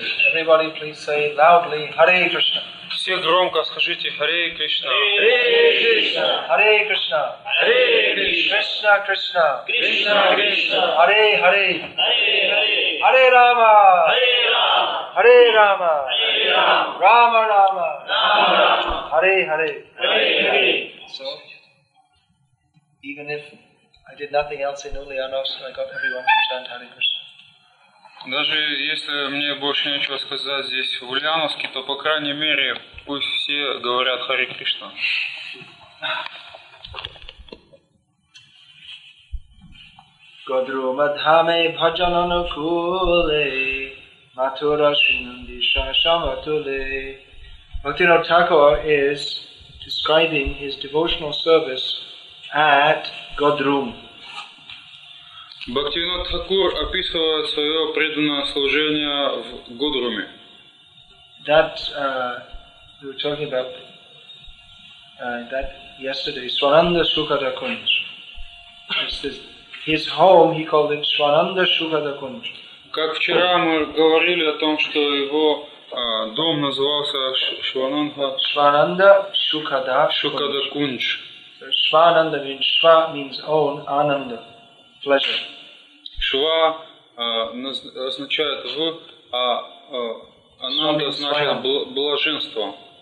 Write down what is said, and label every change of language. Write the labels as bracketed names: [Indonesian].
[English] Everybody please say loudly Hare Krishna. [Russian] Все громко скажите Hare Krishna. [Sanskrit] Hare Krishna. Hare Krishna. Hare Krishna. Hare Krishna. Hare Krishna. Krishna Krishna. Hare Hare. Hare Hare. Hare Rama. Hare Rama. Hare Rama. Hare Rama. Rama Rama. Rama Rama. Hare Hare. Hare Hare. [English] So even if I did nothing else in Ulyanovsk, I got everyone to chant Hare Krishna. [Russian] Даже если мне больше нечего сказать здесь в Ульяновске, то по крайней мере пусть все говорят Харе Кришна. [Bangla] Годру мадхаме бхаджанану куле матура шинанди шашаматуле. [English] Bhaktivinoda Thakur is describing his devotional service at Godrum. [Russian] Bhaktivinoda Thakur описывает свое преданное служение в Годруме. [English] That we were talking about that yesterday, Swananda Sukhada Kunj. His home, he called it Swananda Sukhada Kunj. [Russian] Как вчера мы говорили о том, что его дом назывался Швананда. [English] Swananda Sukhada Sukhada Kunj. Swananda means Swa means own, Ananda, pleasure. [Russian] Шва означает в, а ананда значит блаженство.